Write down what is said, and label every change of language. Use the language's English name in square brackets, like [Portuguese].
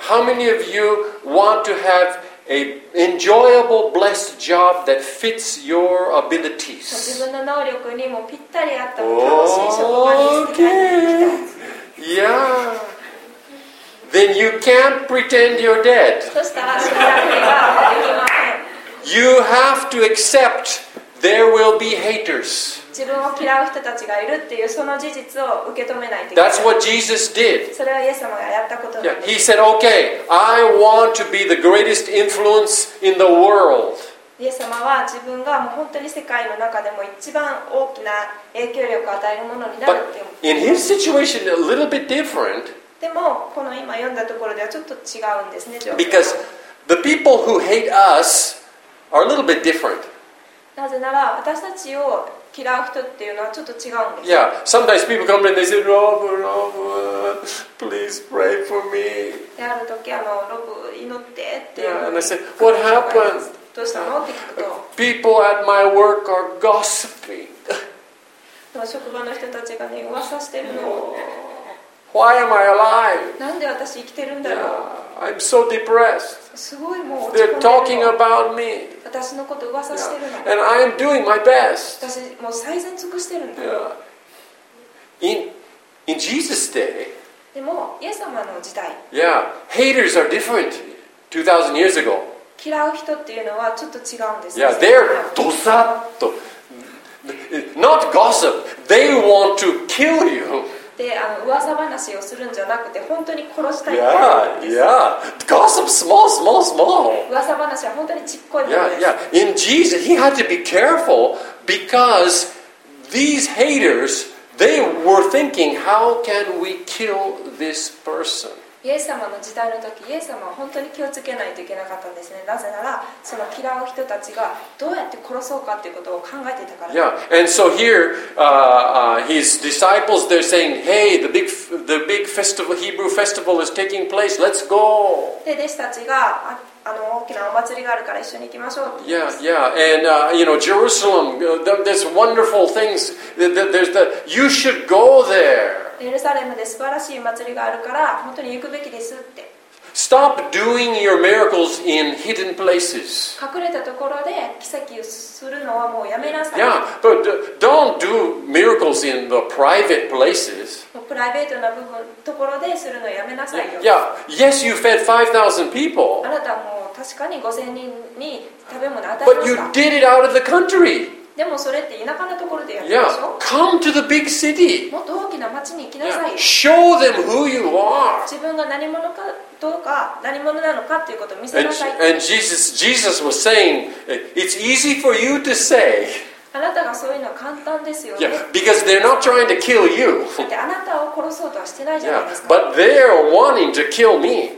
[English] How many of you want to have an enjoyable, blessed job that fits your abilities? [Japanese] 自分の能力にもぴったり合った楽しい職場に行きたい。 [English] Okay. Yeah. Then you can't pretend you're dead. [Japanese] そしたら死んだふりはできません。 [English] You have to accept there will be haters. [Japanese] 自分を嫌う人たちがいるっていうその事実を受け止めないといけない。 [English] That's what Jesus did. [Japanese] それはイエス様がやったことなんです。 [English] He said, okay, I want to be the greatest influence in the world. [Japanese] イエス様は自分がもう本当に世界の中でも一番大きな影響力を与えるものになるって。 [English] But in his situation, a little bit different. [Japanese] でもこの今読んだところではちょっと違うんですね。 [English] Because the people who hate us are a little bit different. [Japanese] なぜなら私たちを嫌う人っていうのはちょっと違うんです。 [English] Yeah, sometimes people come and they say, Rob, Rob, please pray for me. [Japanese] である時ロブ祈ってって。 [English] Yeah, and I say, what happened? [Japanese] どうしたのって聞くと。 [English] People at my work are gossiping. [Japanese] 職場の人たちがね噂してるの。 [English] Why am I alive? [Japanese] なんで私生きてるんだろう。 [English] Yeah, I'm so depressed. [Japanese] すごいもう。 [English] They're talking about me. [Japanese] 私のこと噂してるの。Yeah. [English] And I am doing my best. [Japanese] 私もう最善尽くしてるんだ。 [English] Yeah. In Jesus' day. [Japanese] でもイエス様の時代。 [English] Yeah. Haters are different 2000 years ago. [Japanese] 嫌う人っていうのはちょっと違うんです。 [English] Yeah. They're [Japanese] どさっと。 [English] Not gossip. They want to kill you. [Japanese] で、噂話をするんじゃなくて本当に殺したい。 [English] Gossip small, small, small. [Japanese] 噂話は本当にちっこいものです。 [English] In Jesus, he had to be careful because these haters, they were thinking, how can we kill this person? [Japanese] イエス様の時代の時、イエス様は本当に気をつけないといけなかったんですね。なぜなら、その嫌う人たちがどうやって殺そうかということを考えていたから。 [English] Yeah, and so here, his disciples, they're saying, hey, the big festival, Hebrew festival is taking place, let's go. [Japanese] で、弟子たちが、大きなお祭りがあるから一緒に行きましょうって言います。Yeah, yeah. [English] And, you know, Jerusalem, there's wonderful things. There's the, you should go there. [Japanese] エルサレムで素晴らしい祭りがあるから本当に行くべきですって。 [English] Stop doing your miracles in hidden places. [Japanese] 隠れたところで奇跡をするのはもうやめなさい。 [English] Yeah, but don't do miracles in the private places. [Japanese] プライベートな部分ところでするのやめなさいよ。 [English] Yeah, yes, you fed 5,000 people. [Japanese] あなたも確かに 5,000 人に食べ物を与えました。 [English] But you did it out of the country. [Japanese] でもそれって田舎のところでやったでしょ。 [English] Yeah, come to the big city. [Japanese] もっと大きな町に行きなさい。 [English] Yeah, show them who you are. [Japanese] 自分が何者かどうか何者なのかということを見せなさい。 [English] And Jesus was saying, it's easy for you to say. [Japanese] あなたがそういうのは簡単ですよね。 [English] Yeah, because they're not trying to kill you. [Japanese] だってあなたを殺そうとはしてないじゃないですか。 [English] Yeah, but they're wanting to kill me.